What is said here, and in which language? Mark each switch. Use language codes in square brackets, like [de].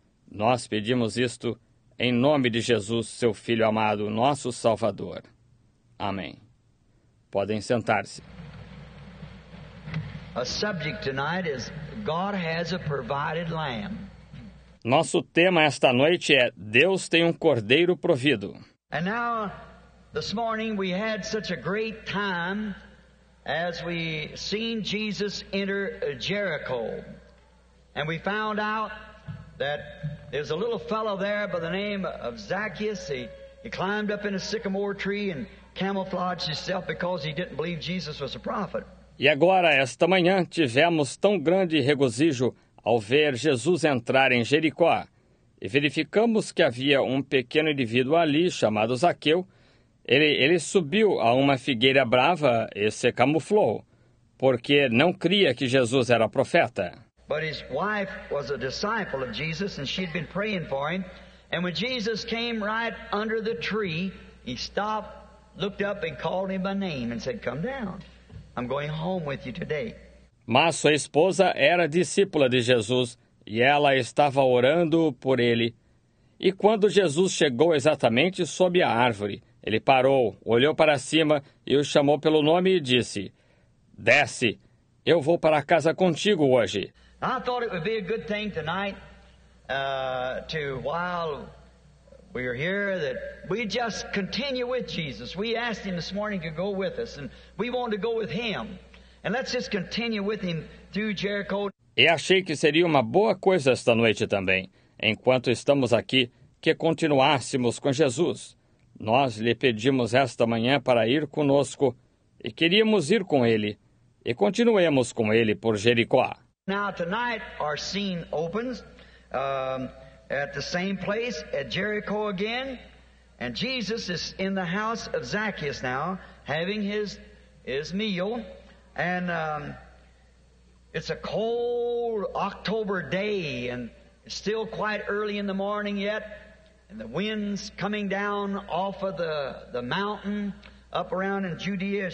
[pt] Nós pedimos isto em nome de Jesus, seu Filho amado, nosso Salvador. Amém. Podem sentar-se. [en] subject tonight is God has a provided lamb. [pt] Nosso tema esta noite é Deus tem cordeiro provido. [en] And now, this morning we had such a great time as we seen Jesus enter Jericho. And we found out that there's a little fellow there by the name of Zacchaeus. He climbed up in a sycamore tree and camouflaged himself because he didn't believe Jesus was a prophet. [pt] E agora, esta manhã, tivemos tão grande regozijo ao ver Jesus entrar em Jericó. E verificamos que havia um pequeno indivíduo ali, chamado Zaqueu. Ele subiu a uma figueira brava e se camuflou, porque não cria que Jesus era profeta. [en] But his wife was a disciple of Jesus, and she'd been praying for him. And when Jesus came right under the tree, he stopped, looked up, and called him by name, and said, "Come down. I'm going home with you today." [pt] Mas sua esposa era discípula de Jesus, e ela estava orando por ele. E quando Jesus chegou exatamente sob a árvore, ele parou, olhou para cima, e o chamou pelo nome e disse, "Desce, eu vou para casa contigo hoje." [en] I thought it would be a good thing tonight to, while we are here, that we just continue with Jesus. We asked him this morning to go with us, and we want to go with him. And let's just continue with him through Jericho. [pt] E achei que seria uma boa coisa esta noite também, enquanto estamos aqui, que continuássemos com Jesus. Nós lhe pedimos esta manhã para ir conosco, e queríamos ir com ele, e continuemos com ele por Jericó. [en] Now tonight our scene opens at the same place at Jericho again, and Jesus is in the house of Zacchaeus now having his meal, and it's a cold October day, and it's still quite early in the morning yet, and the wind's coming down off of the mountain up around in Judea.